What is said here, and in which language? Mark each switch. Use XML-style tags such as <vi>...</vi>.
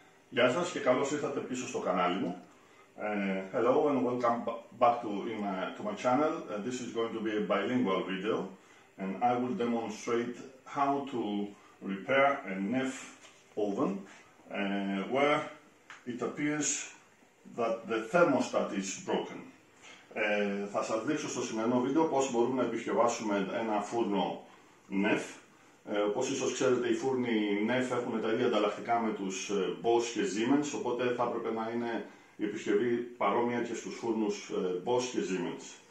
<el>Γεια σας και καλώς ήρθατε πίσω στο κανάλι μου.</el> <en>Hello and welcome back to my channel. This is going to be a bilingual video and I will demonstrate how to repair a Neff oven where it appears that the thermostat is broken.</en> <el>Θα σας δείξω στο σημερινό βίντεο πώς μπορούμε να επισκευάσουμε ένα φούρνο Neff. Όπως ίσως ξέρετε, οι φούρνοι Neff έχουν τα ίδια ανταλλακτικά με τους Bosch και Siemens, οπότε θα έπρεπε να είναι η επισκευή παρόμοια και στους φούρνους Bosch και Siemens.</el>